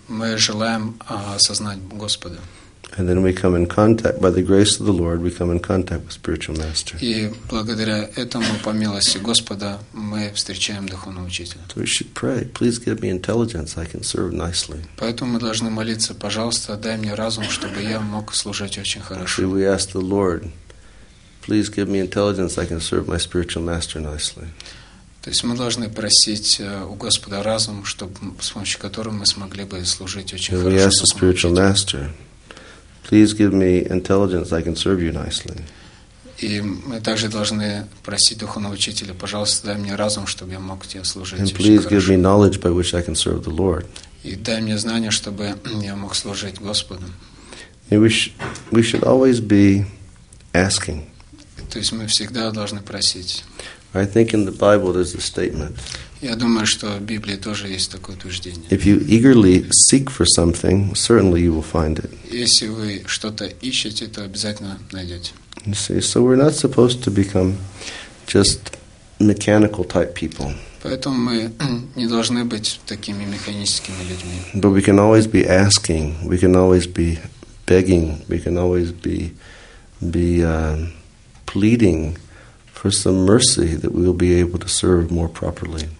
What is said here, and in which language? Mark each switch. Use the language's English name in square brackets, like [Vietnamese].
[Russian] Мы желаем осознать Господа. [English] And then we come in contact, by the grace of the Lord, we come in contact with spiritual master. [Russian] И благодаря этому, по милости Господа, мы встречаем духовного учителя. [English] So we should pray, please give me intelligence, I can serve nicely. [Russian] Поэтому мы должны молиться, пожалуйста, дай мне разум, чтобы я мог служить очень хорошо. [English] We ask the Lord, please give me intelligence, I can serve my spiritual master nicely. [Russian] То есть мы должны просить у Господа разум, чтобы с помощью которого мы смогли бы служить очень [English] and [Russian] хорошо. [English] We ask the spiritual master, please give me intelligence, I can serve you nicely. [Russian] И мы также должны просить духовного учителя, пожалуйста, дай мне разум, чтобы я мог тебе служить. [English] And please give me knowledge by which I can serve the Lord. [Russian] И дай мне знания, чтобы я мог служить Господу. [English] We should always be asking. [Russian] То есть мы всегда должны просить. [English] I think in the Bible there's a statement. [Russian] Я думаю, что в Библии тоже есть такое утверждение. [English] If you eagerly seek for something, certainly you will find it. [Russian] Если вы что-то ищете, то обязательно найдете. [English] You see, so we're not supposed to become just mechanical type people. [Russian] Поэтому мы не должны быть такими механическими людьми. [English] But we can always be asking, we can always be begging, we can always be pleading for some mercy that we will be able to serve more properly.